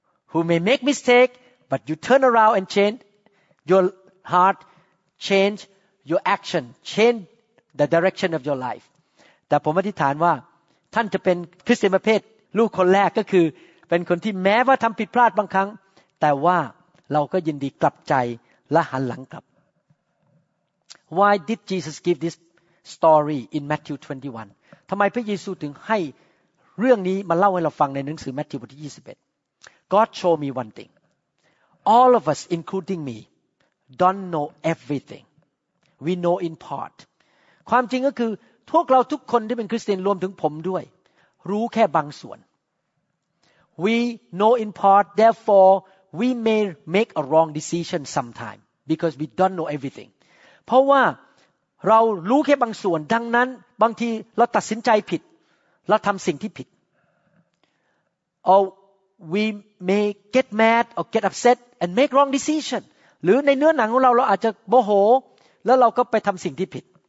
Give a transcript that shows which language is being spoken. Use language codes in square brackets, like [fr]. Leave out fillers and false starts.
[en] who may make mistake but you turn around and change your heart change your action change the direction of your life [th] แต่ผมอธิษฐานว่าท่านจะเป็นคริสเตียนประเภทลูกคนแรกก็คือเป็นคนที่แม้ว่าทำผิดพลาดบางครั้งแต่ว่าเราก็ยินดีกลับใจและหันหลังกลับ [en] Why did Jesus give this story in Matthew 21? [th] ทำไมพระเยซูถึงให้เรื่องนี้มาเล่าให้เราฟังในหนังสือมัทธิวบทที่21 [en] God showed me one thing. All of us, including me, don't know everything. We know in part. [th] ความจริงก็คือพวกเราทุกคนที่เป็นคริสเตียนรวมถึงผมด้วยรู้แค่บางส่วน [en] We know in part. Therefore, we may make a wrong decision sometime because we don't know everything. [th] เพราะว่าเรารู้แค่บางส่วนดังนั้นบางทีเราตัดสินใจผิดเราทำสิ่งที่ผิด [en] or we may get mad or get upset and make wrong decision [th] หรือในเนื้อหนังของเราอาจจะโมโหแล้วเราก็ไปทำสิ่งที่ผิด